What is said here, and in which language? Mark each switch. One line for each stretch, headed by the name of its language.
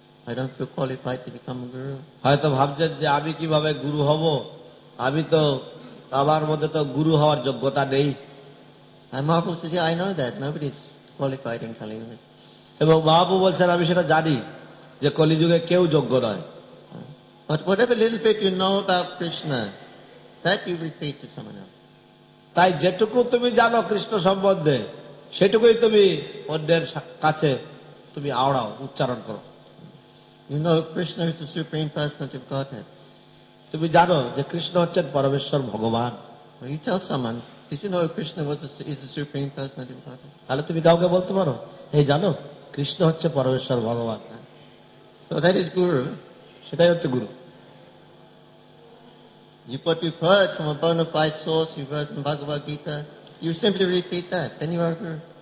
English: I don't feel qualified to become a guru.
Bangla: হয়তো ভাবছেন যে আমি কিভাবে গুরু হব, আমি তো আমার মধ্যে তো গুরু হওয়ার যোগ্যতা নেই।
English: And Mahaprabhu says, I know that nobody is qualified in Kali Yuga.
Bangla: এবং মহাপ্রভু বলছেন আমি সেটা জানি যে কলি যুগে কেউ যোগ্য নয়।
English: But whatever little bit you know about Krishna, that you repeat to someone else.
Bangla: তাই যেটুকু তুমি জানো কৃষ্ণ সম্বন্ধে সেটুকুই তুমি অন্যের কাছে তুমি আওড়াও, উচ্চারণ করো।
English: You know Krishna is the supreme personality of Godhead.
Bangla: তুমি জানো যে কৃষ্ণ হচ্ছেন পরমেশ্বর ভগবান।
English: You tell someone, did you know Krishna is the supreme personality of Godhead?
Bangla: তাহলে তুমি কাউকে বলতে পারো, এই জানো কৃষ্ণ হচ্ছে পরমেশ্বর ভগবান।
English: So that is guru.
Bangla: সেটাই হচ্ছে গুরু।
English: You've heard from a bona fide source, you've heard from Bhagavad Gita, you simply repeat that, then you are guru.